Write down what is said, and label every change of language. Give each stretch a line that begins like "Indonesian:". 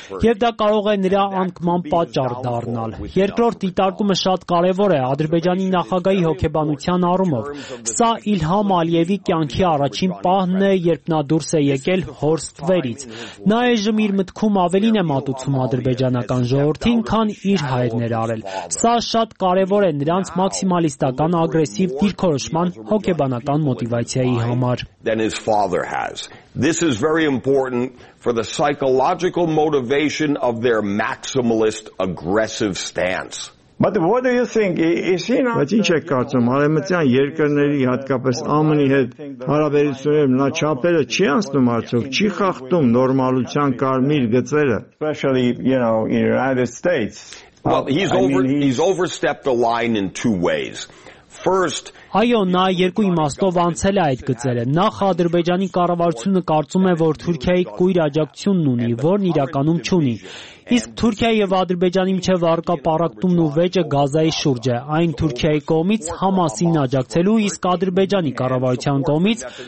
Armenian: Եվ դա կարող է նրա անկման պատճառ դառնալ։ Երկրորդ դիտարկումը շատ կարևոր է Ադրբեջանի նախագահի հոգեբանության առումով։ Սա Իլհամ Ալիևի կյանքի առաջին պահն է, երբ նա դուրս է եկել հոր ստվերից։ Նա այժմ իր մտքում ավելին է մատուցում ադրբեջանական ժողովրդին, քան իր հայրներ արել։ Սա շատ կարևոր է նրանց մաքսիմալիստական ագրեսիվ դիրքորոշման հոգեբանական մոտիվացիայի համար։
English: This is very important for the psychological motivation of their maximalist aggressive stance. But what do you think? Is he not?
Armenian: Ինչ եք կարծում, Արևմտյան երկրների, հատկապես ԱՄՆ-ի հետ հարաբերությունները նա չափերը չի անցնում արդյոք, չի խախտում նորմալության կարմիր գծերը?
English: Especially, you know, in the United States. Well, he's overstepped the line in two ways. First,
Armenian: այո, նա երկու իմաստով անցել է այդ գծերը։ Նախ Ադրբեջանի կառավարությունը կարծում է, որ Թուրքիայի կույր աջակցությունն ունի, որն իրականում չունի։ Իսկ Թուրքիայի եւ Ադրբեջանի միջև առկա պարակտումն ու վեճը Գազայի շուրջ է։ Այն Թուրքիայի կողմից Համասին աջակցելու, իսկ Ադրբեջանի կառավարության կողմից